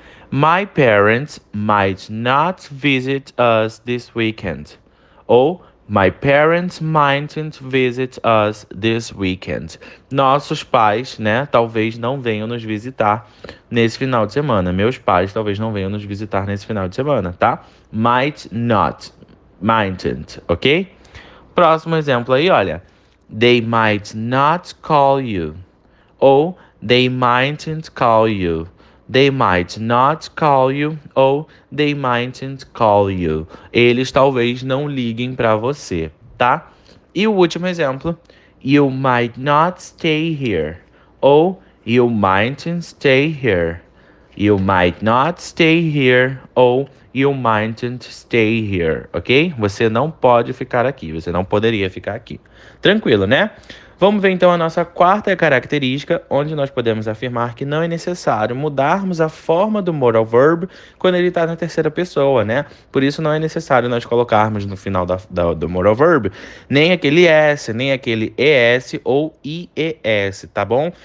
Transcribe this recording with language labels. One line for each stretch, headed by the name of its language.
English: My parents might not visit us this weekend. Ou my parents mightn't visit us this weekend.
Portuguese: Nossos pais, né, talvez não venham nos visitar nesse final de semana. Meus pais talvez não venham nos visitar nesse final de semana, tá?
English: Might not, mightn't, ok?
Portuguese: Próximo exemplo aí, olha.
English: They might not call you. Ou they mightn't call you. They might not call you, ou they mightn't call you.
Portuguese: Eles talvez não liguem para você, tá? E o último exemplo:
English: You might not stay here, ou you mightn't stay here. You might not stay here, ou you mightn't stay here, ok?
Portuguese: Você não pode ficar aqui, você não poderia ficar aqui. Tranquilo, né? Vamos ver então a nossa quarta característica, onde nós podemos afirmar que não é necessário mudarmos a forma do modal verb quando ele está na terceira pessoa, né? Por isso não é necessário nós colocarmos no final do modal verb nem aquele S, nem aquele ES ou IES, tá bom?